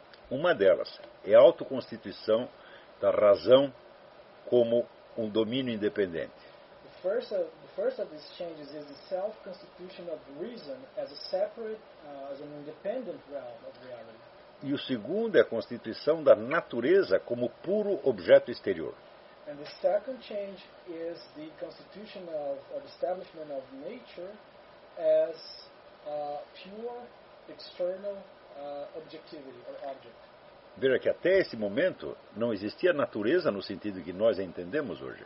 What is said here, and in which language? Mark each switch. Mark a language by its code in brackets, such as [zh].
[pt] Uma delas é a autoconstituição da razão como um domínio independente. [en] The first of these changes is the self-constitution of reason as a separate, as an independent realm of reality. [pt] E o segundo é a constituição da natureza como puro objeto exterior. [en] And the second change is the constitution of or establishment of nature as a pure external objectivity or object. [pt] Veja que até esse momento não existia natureza no sentido que nós a entendemos hoje.